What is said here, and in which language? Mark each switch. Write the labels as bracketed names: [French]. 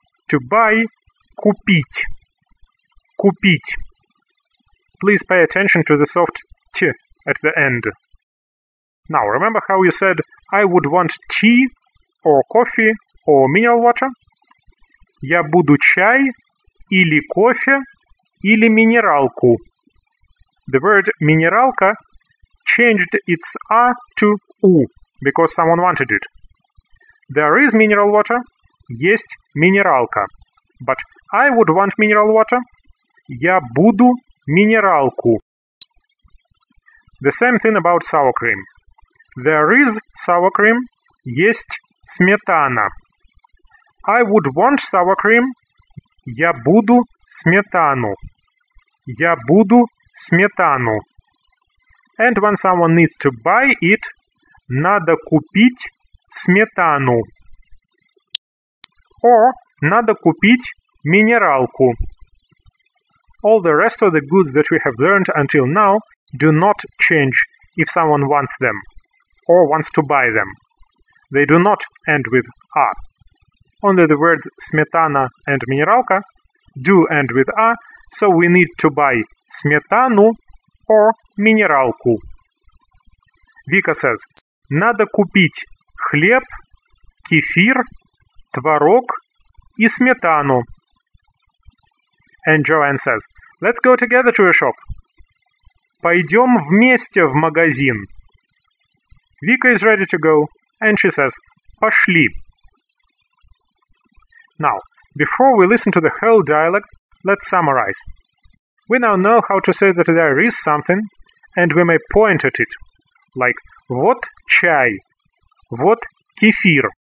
[English] To buy, купить. Купить. Please pay attention to the soft T at the end. Now, remember how you said, I would want tea, or coffee, or mineral water? [Russian] Я буду чай, или кофе, или минералку. [English] The word минералка changed its A to U, because someone wanted it. There is mineral water, [Russian] есть минералка. [English] But I would want mineral water, [Russian] я буду минералку. [English] The same thing about sour cream. There is sour cream, [Russian] есть сметана. [English] I would want sour cream, [Russian] я буду сметану. Я буду сметану. [English] And when someone needs to buy it, [Russian] надо купить сметану. Or надо купить минералку. [English] All the rest of the goods that we have learned until now do not change if someone wants them or wants to buy them. They do not end with A. Only the words сметана and минералка do end with A, so we need to buy сметану or минералку. [Russian] Vika says, надо купить хлеб, кефир, творог и сметану. [English] And Joanne says, let's go together to a shop. [Russian] Пойдем вместе в магазин. [English] Vika is ready to go, and she says, пошли. Now, before we listen to the whole dialogue, let's summarize. We now know how to say that there is something, and we may point at it. [Russian] Like, вот чай, вот кефир.